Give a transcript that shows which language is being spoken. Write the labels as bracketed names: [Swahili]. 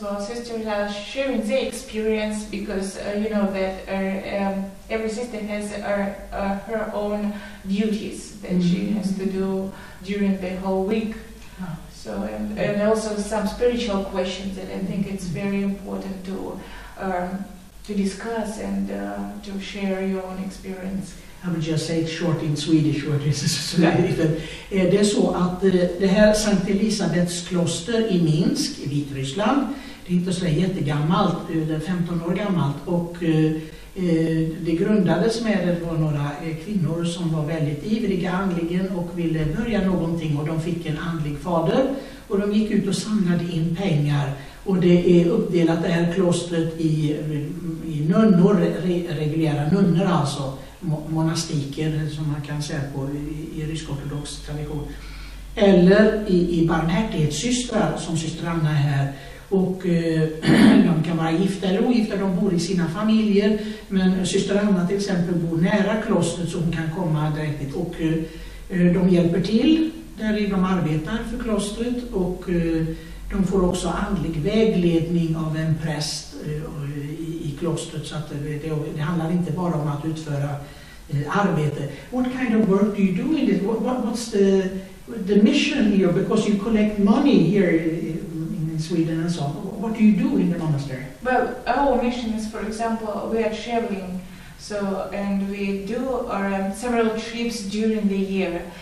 [English] Well, sisters are sharing their experience because you know that every sister has her own duties that mm-hmm. she has to do during the whole week. So and also some spiritual questions that I think it's very important to discuss and to share your own experience. I would just say it short in Swedish, what is it? [Swedish] Det är så att det här Sankt Elisabeths kloster i Minsk i Vitryssland, det är inte så jättegammalt, det är 15 år gammalt, och det grundades med det var några kvinnor som var väldigt ivriga andligen och ville börja någonting, och de fick en andlig fader och de gick ut och samlade in pengar, och det är uppdelat det här klostret i nunnor, reguljära nunnor, alltså monastiker som man kan säga på i rysk ortodox tradition, eller i barmhärtighetssystrar som syster Anna här. Och de kan vara gifta eller ogifta, de bor i sina familjer, men syster Anna till exempel bor nära klostret så hon kan komma direkt dit. Och de hjälper till där de arbetar för klostret, och de får också andlig vägledning av en präst i klostret, så att det handlar inte bara om att utföra arbete. [English] What kind of work do you do in this? What's the mission here? Because you collect money here Sweden and so on. What do you do in the monastery? Well, our mission is, for example, we are traveling, so, and we do our several trips during the year.